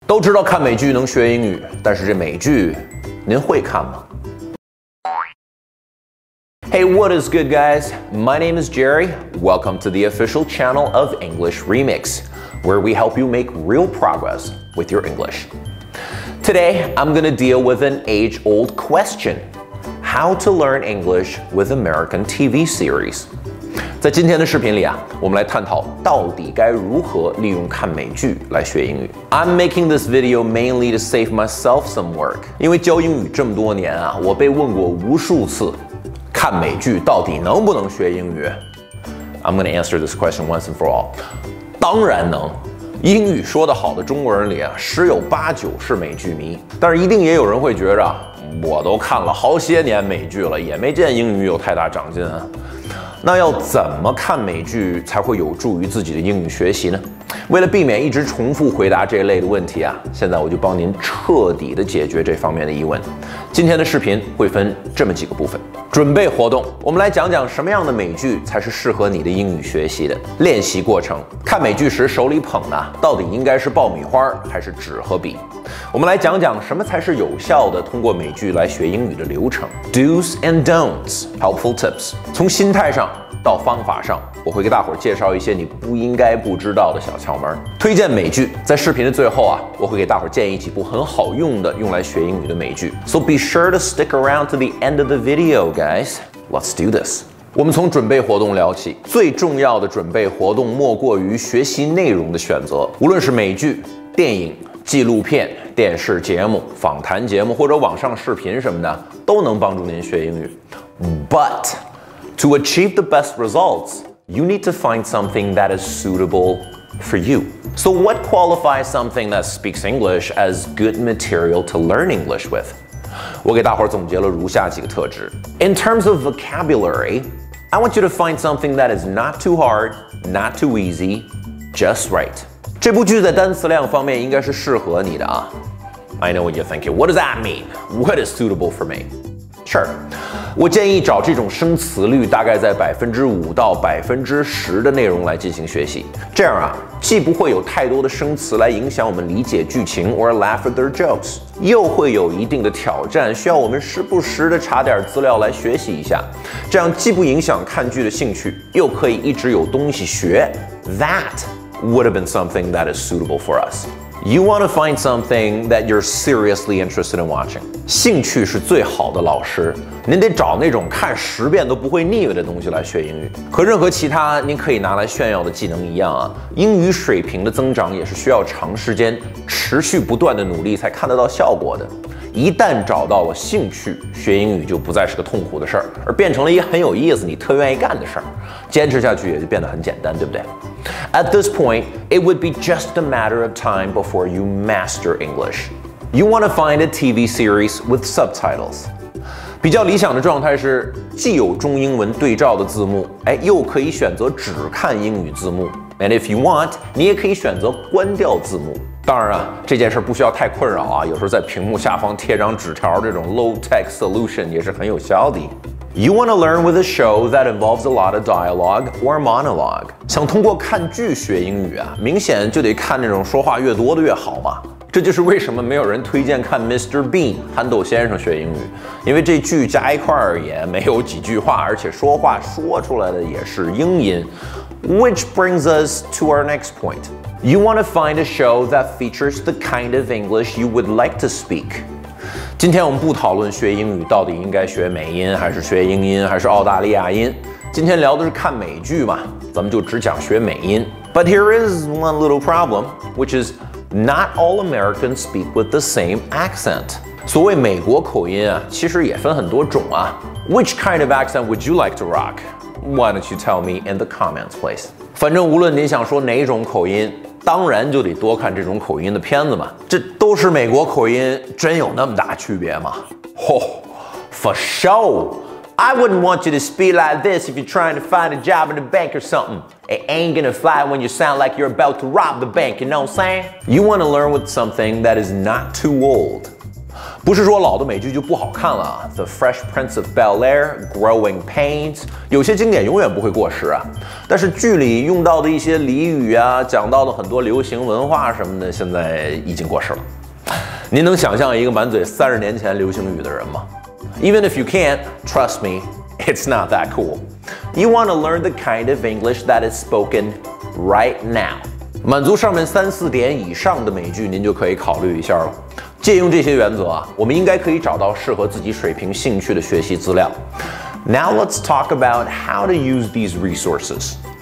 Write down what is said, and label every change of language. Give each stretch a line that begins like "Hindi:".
Chinese: 都知道看美剧能学英语，但是这美剧您会看吗？
English: Hey, what is good, guys? My name is Jerry. Welcome to the official channel of English Remix, where we help you make real progress with your English. Today, I'm going to deal with an age-old question: how to learn English with American TV series.
Chinese: 在今天的视频里啊，我们来探讨到底该如何利用看美剧来学英语。
English: I'm making this video mainly to save myself some work.
Chinese: 因为教英语这么多年啊，我被问过无数次，看美剧到底能不能学英语？
English: I'm gonna answer this question once and for all.
Chinese: 当然能。英语说得好的中国人里啊，十有八九是美剧迷。但是一定也有人会觉着，我都看了好些年美剧了，也没见英语有太大长进啊。那要怎么看美剧才会有助于自己的英语学习呢？为了避免一直重复回答这类的问题啊，现在我就帮您彻底的解决这方面的疑问。今天的视频会分这么几个部分。准备活动，我们来讲讲什么样的美剧才是适合你的英语学习的。练习过程，看美剧时手里捧的到底应该是爆米花还是纸和笔？我们来讲讲什么才是有效的通过美剧来学英语的流程。
English: Do's and don'ts, helpful tips.
Chinese: 从心态上到方法上，我会给大伙介绍一些你不应该不知道的小窍门。推荐美剧，在视频的最后啊，我会给大伙建议几部很好用的用来学英语的美剧。
English: So be sure to stick around to the end of the video, guys. Let's do this.
Chinese: 我们从准备活动聊起。最重要的准备活动莫过于学习内容的选择。无论是美剧、电影、纪录片、电视节目、访谈节目或者网上视频什么的，都能帮助您学英语。
English: But to achieve the best results, you need to find something that is suitable for you. So what qualifies something that speaks English as good material to learn English with?
Chinese: 我给大伙总结了如下几个特质。
English: In terms of vocabulary, I want you to find something that is not too hard, not too easy, just right.
Chinese: 这部剧在单词量方面应该是适合你的啊。
English: I know what you're thinking. What does that mean? What is suitable for me? Sure.
Chinese: 我建议找这种生词率大概在 5% 到 10% 的内容来进行学习。这样啊，既不会有太多的生词来影响我们理解剧情
English: or laugh at their jokes,
Chinese: 又会有一定的挑战需要我们时不时的查点资料来学习一下。这样既不影响看剧的兴趣，又可以一直有东西学。
English: That. Would have been something that is suitable for us. You want to find something that you're seriously interested in watching.
Chinese: 兴趣是最好的老师，您得找那种看十遍都不会腻歪的东西来学英语。和任何其他您可以拿来炫耀的技能一样啊，英语水平的增长也是需要长时间持续不断的努力才看得到效果的。一旦找到了兴趣，学英语就不再是个痛苦的事儿，而变成了一个很有意思，你特愿意干的事儿。坚持下去也就变得很简单，对不对？
English: At this point, it would be just a matter of time before you master English. You want to find a TV series with subtitles.
Chinese: 比较理想的状态是既有中英文对照的字幕，哎，又可以选择只看英语字幕。
English: And if you want,
Chinese: 你也可以选择关掉字幕。当然啊，这件事不需要太困扰啊，有时候在屏幕下方贴张纸条这种
English: low-tech solution
Chinese: 也是很有效的。
English: You want to learn with a show that involves a lot of dialogue or monologue.
Chinese: 想通过看剧学英语啊，明显就得看那种说话越多的越好嘛。这就是为什么没有人推荐看 Mr. Bean 憨豆先生学英语，因为这剧加一块儿也没有几句话，而且说话说出来的也是英音。
English: Which brings us to our next point. You want to find a show that features the kind of English you would like to speak.
Chinese: 今天我们不讨论学英语到底应该学美音还是学英音还是澳大利亚音，今天聊的是看美剧嘛，咱们就只讲学美音。
English: But here is one little problem, which is not all Americans speak with the same accent.
Chinese: 所谓美国口音啊，其实也分很多种啊。
English: Which kind of accent would you like to rock? Why don't you tell me in the comments, please?
Chinese: 反正无论您想说哪种口音，当然就得多看这种口音的片子嘛。这都是美国口音，真有那么大区别吗？
English: Oh, for sure. I wouldn't want you to speak like this if you're trying to find a job in the bank or something. It ain't gonna fly when you sound like you're about to rob the bank, you know what I'm saying? You want to learn with something that is not too old.
Chinese: 不是说老的美剧就不好看了啊 ，The Fresh Prince of Bel-Air、Growing Pains， 有些经典永远不会过时啊。但是剧里用到的一些俚语啊，讲到的很多流行文化什么的，现在已经过时了。您能想象一个满嘴30年前流行语的人吗 ？
English: Even if you can't, trust me, it's not that cool. You want to learn the kind of English that is spoken right now.
Chinese: 满足上面3-4点以上的美剧，您就可以考虑一下了。借用这些原则啊，我们应该可以找到适合自己水平兴趣的学习资料。
English: Now let's talk about how to use these resources.